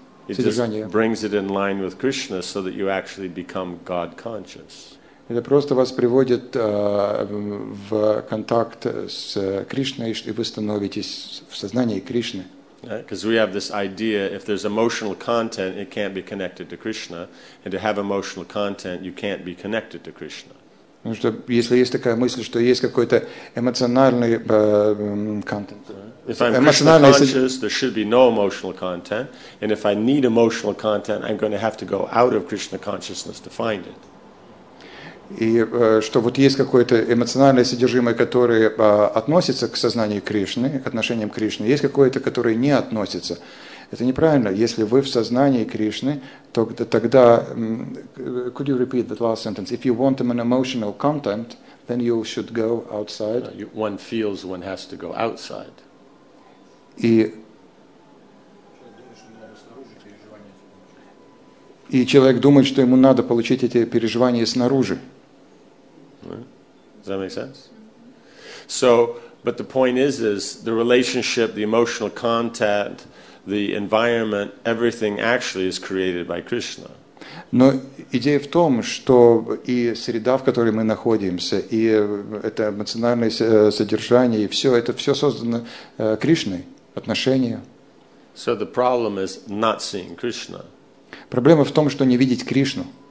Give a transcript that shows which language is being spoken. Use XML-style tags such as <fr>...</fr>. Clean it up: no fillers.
<en>It brings it in line with Krishna, so that you actually become God conscious.</en> <ru>Это просто вас приводит в контакт с Кришной, и вы становитесь в сознании Кришны.</ru> <en>Because we have this idea, if there's emotional content, it can't be connected to Krishna, and to have emotional content, you can't be connected to Krishna.</en> <ru>Потому что если есть такая мысль, что есть какой-то эмоциональный контент.</ru> <en>If I'm emotionally conscious, there should be no emotional content. And if I need emotional content, I'm going to have to go out of Krishna consciousness to find it.</en> <ru>И что вот есть какое-то эмоциональное содержимое, которое относится к сознанию Кришны, к отношениям Кришны, есть какое-то, которое не относится. Это неправильно. Если вы в сознании Кришны, то тогда...</ru> <en>Could you repeat that last sentence? If you want an emotional content, then you should go outside. One feels one has to go outside.</en> <ru>И человек думает, что ему надо получить эти переживания снаружи.</ru> <en>Does that make sense? So, but the point is the relationship, the emotional content, the environment, everything actually is created by Krishna.</en> <ru>Но идея в том, что и среда, в которой мы находимся, и это эмоциональное содержание, и все это все создано Кришной, отношения.</ru> <en>So the problem is not seeing Krishna.</en> <ru>Проблема в том, что не видеть Кришну.</ru>